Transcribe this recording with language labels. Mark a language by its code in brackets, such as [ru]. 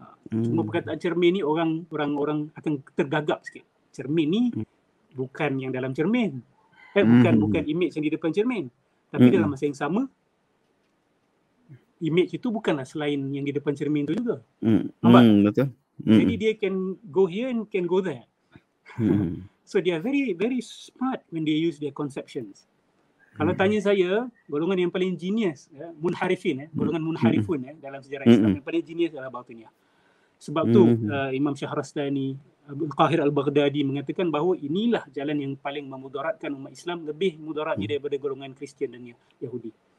[ms] Cuma perkataan cermin ni orang akan tergagap sikit. Cermin ni bukan yang dalam cermin. Bukan image yang di depan cermin. Tapi dalam masa yang sama, image itu bukanlah selain yang di depan cermin itu juga. Betul. Jadi dia [en] can go here and can go there. So they are very, very smart when they use their conceptions. [ms] Kalau tanya saya, golongan yang paling genius, munharifun dalam sejarah Islam, yang paling genius adalah Batiniyah. Sebab tu Imam Syahrastani, Al-Qahir Al-Baghdadi mengatakan bahawa inilah jalan yang paling memudaratkan umat Islam, lebih mudaratnya daripada golongan Kristian dan Yahudi.